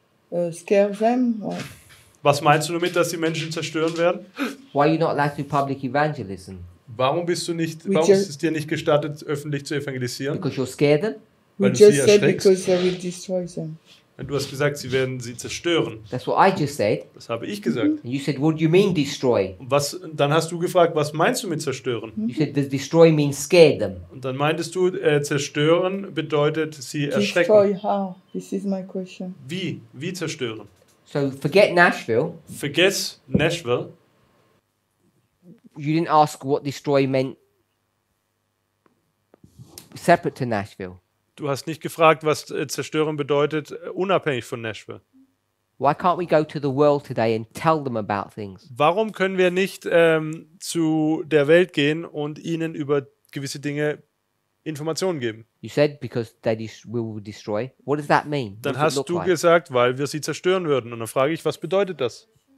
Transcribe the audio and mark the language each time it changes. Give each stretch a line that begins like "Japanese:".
German: Was meinst du damit, dass sie Menschen zerstören werden?
English: Why are you not allowed to public evangelism?
German: Warum bist du nicht? Warum ist es dir nicht gestattet, öffentlich zu evangelisieren?
English: Because you're scared them.
German: Weil du sie erschreckst. Du hast gesagt, sie werden sie zerstören.
English: That's what I just said.
German: Das habe ich gesagt.
English: And you said, what do you mean destroy?
German: Was? Dann hast du gefragt, was meinst du mit zerstören?
English: You said, destroy means scare them.
German: Und dann meintest du, zerstören bedeutet sie erschrecken.
English: Destroy how? This is my question.
German: Wie zerstören?
English: So forget Nashville.
German: Vergiss Nashville.
English: You didn't ask what destroy meant separate to Nashville.
German: Du hast nicht gefragt, was zerstören bedeutet unabhängig von Nashville.
English: Why can't we go to the world today and tell them about things?
German: Warum können wir nicht zu der Welt gehen und ihnen über gewisse Dinge Informationen geben?
English: You said because they will destroy. What does that mean?
German: Dann hast du gesagt, weil wir sie zerstören würden, und dann frage ich, was bedeutet das?